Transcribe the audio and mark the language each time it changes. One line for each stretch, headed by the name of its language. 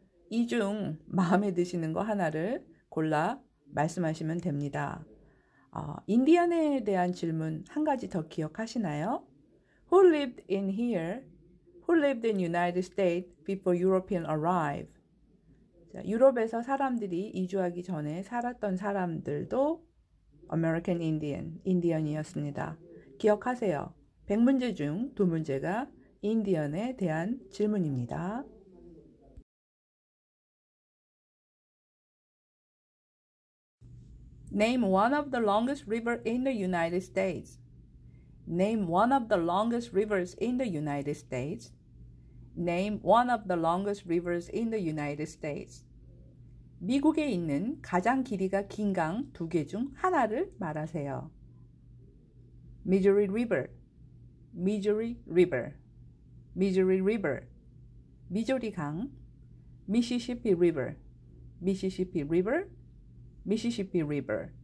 Korean: 이 중 마음에 드시는 거 하나를 골라 말씀하시면 됩니다. 인디언에 대한 질문 한 가지 더 기억하시나요?
English: Who lived in here? Who lived in United States before European arrived?
Korean: 자, 유럽에서 사람들이 이주하기 전에 살았던 사람들도 American Indian, 인디언이었습니다. 기억하세요. 100문제 중 두 문제가 인디언에 대한 질문입니다.
English: Name one of the longest rivers in the United States. Name one of the longest rivers in the United States. Name one of the longest rivers in the United States.
Korean: 미국에 있는 가장 길이가 긴 강 두 개 중 하나를 말하세요.
English: Missouri River. Missouri River. Missouri River.
Korean: 미조리 강.
English: Mississippi River. Mississippi River. Mississippi River.